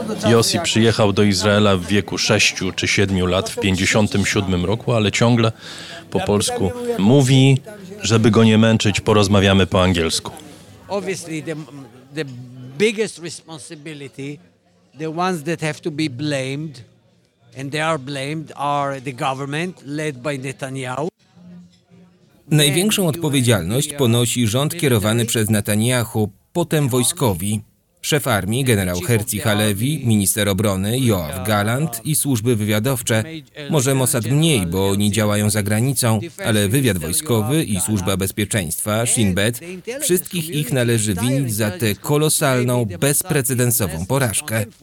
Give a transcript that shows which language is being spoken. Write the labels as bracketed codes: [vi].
[pl] Yossi przyjechał do Izraela w wieku 6 czy 7 lat, w 57 roku, ale ciągle po polsku mówi, żeby go nie męczyć, porozmawiamy po angielsku. [en] Obviously the biggest responsibility, the ones that have to be blamed, and they are blamed, are the government led by Netanyahu. [pl] Największą odpowiedzialność ponosi rząd kierowany przez Netanyahu, potem wojskowi. Szef armii, generał Herzi Halevi, minister obrony, Joav Gallant i służby wywiadowcze. Może Mossad mniej, bo oni działają za granicą, ale wywiad wojskowy i służba bezpieczeństwa, Shin Bet, wszystkich ich należy winić za tę kolosalną, bezprecedensową porażkę.